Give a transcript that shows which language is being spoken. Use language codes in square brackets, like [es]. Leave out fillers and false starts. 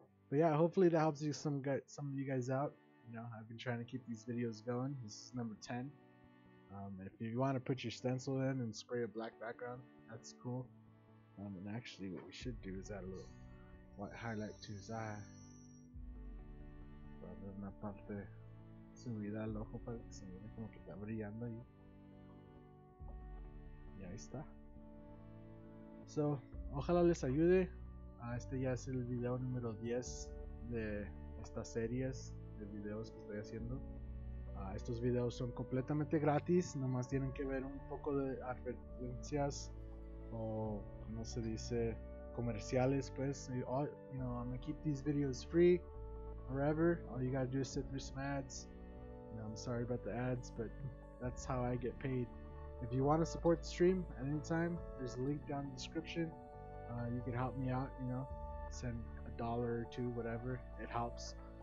[en] But yeah, hopefully that helps some of you guys out. You know, I've been trying to keep these videos going. This is number 10. If you want to put your stencil in and spray a black background, that's cool. And actually, what we should do is add a little white highlight to his eye. [es] Para ver una parte subida al ojo para que se mire como que está brillando ahí. Y ahí está. So, ojalá les ayude. Este ya es el video número 10 de estas series de videos que estoy haciendo. Estos videos son completamente gratis, nomás tienen que ver un poco de advertencias o, como se dice, comerciales, pues. [en] All, you know, I'm gonna keep these videos free forever. All you gotta do is sit through some ads. You know, I'm sorry about the ads, but that's how I get paid. If you want to support the stream at any time, there's a link down in the description. You can help me out, you know, send a dollar or two, whatever, it helps.